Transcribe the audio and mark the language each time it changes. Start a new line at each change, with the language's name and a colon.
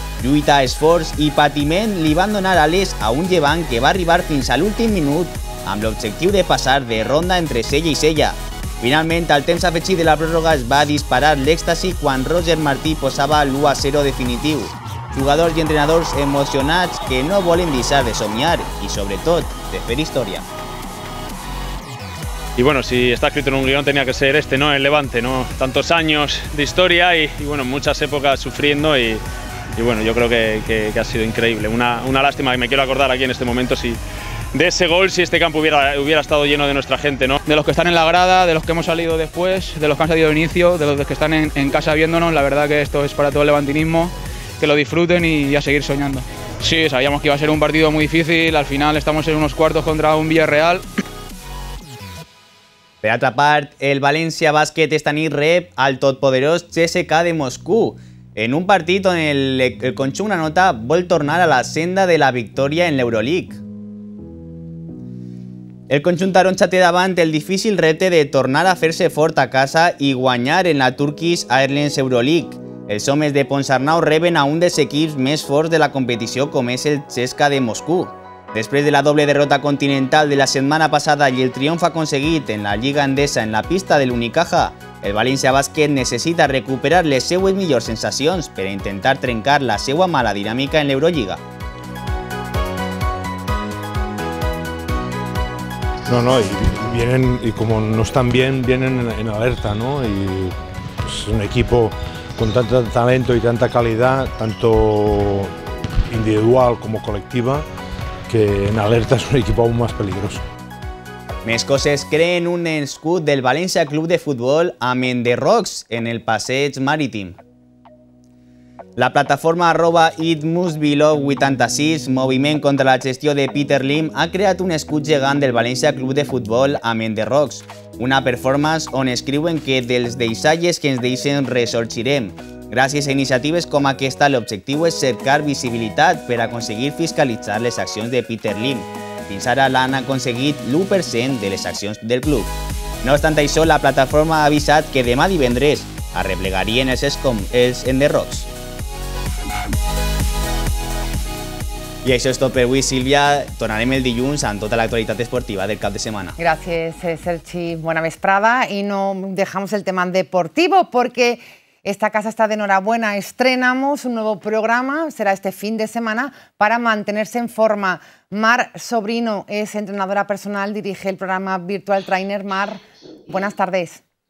Catalan: Lluita, esforç i patiment li van donar ales a un Llevant que va arribar fins a l'últim minut amb l'objectiu de passar de ronda entre sella i sella. Finalment, al temps afegit de la pròrroga es va disparar l'èxtasi quan Roger Martí posava l'1-0 definitiu. Jugadors i entrenadors emocionats que no volen deixar de somiar i, sobretot, de fer història.
Spanish: Y bueno, si está escrito en un guión tenía que ser este, ¿no? El Levante, ¿no? Tantos años de historia y bueno, muchas épocas sufriendo y bueno, yo creo que ha sido increíble. Una lástima que me quiero acordar aquí en este momento si de ese gol, si este campo hubiera estado lleno de nuestra gente, ¿no? De los que están en la grada, de los que hemos salido después, de los que han salido de inicio, de los que están en casa viéndonos, la verdad que esto es para todo el levantinismo, que lo disfruten y a seguir soñando. Sí, sabíamos que iba a ser un partido muy difícil, al final estamos en unos cuartos contra un Villarreal.
Catalan: Per altra part, el València Bàsquet esta nit rep al totpoderós CSKA de Moscú.
Spanish: En un partido en el Conchung Nanota vuelve a tornar a la senda de la victoria en la Euroleague.
Catalan: El Conchung Taronja té davant el difícil repte de tornar a fer-se fort a casa i guanyar en la Turkish Airlines Euroleague. Els homes de Ponsarnau reben a un dels equips més forts de la competició com és el CSKA de Moscou. Després de la doble derrota continental de la setmana passada i el triomf aconseguit en la Lliga Endesa en la pista de l'Unicaja, el València Bàsquet necessita recuperar les seues millors sensacions per a intentar trencar la seua mala dinàmica en l'Eurolliga.
Spanish: No, vienen, y como no están bien, vienen en alerta, ¿no? Y es un equipo con tanto talento y tanta calidad, tanto individual como colectiva, que en alerta es un equipo aún más peligroso.
Catalan: Més coses, creen un escut del València Club de Futbol a Menderrocs, en el passeig marítim. La plataforma arroba It Must Be Love 86, moviment contra la gestió de Peter Lim, ha creat un escut gegant del València Club de Futbol a Menderrocs. Una performance on escriuen que dels deixalles que ens deixen ressorgirem. Gràcies a iniciatives com aquesta, l'objectiu és cercar visibilitat per aconseguir fiscalitzar les accions de Peter Lim. Fins ara l'han aconseguit l'1% de les accions del club. No obstant això, la plataforma ha avisat que demà divendres arreplegarien els escom els Menderrocs. I això és tot per avui, Sílvia. Tornarem el dilluns amb tota l'actualitat esportiva del cap de setmana. Gràcies, Sergi. Bona vesprada.
Spanish: I no dejamos el tema deportivo porque esta casa está de enhorabuena. Estrenamos un nuevo programa, será este fin de semana, para mantenerse en forma. Mar Sobrino es entrenadora personal, dirige el programa Virtual Trainer. Mar, buenas tardes.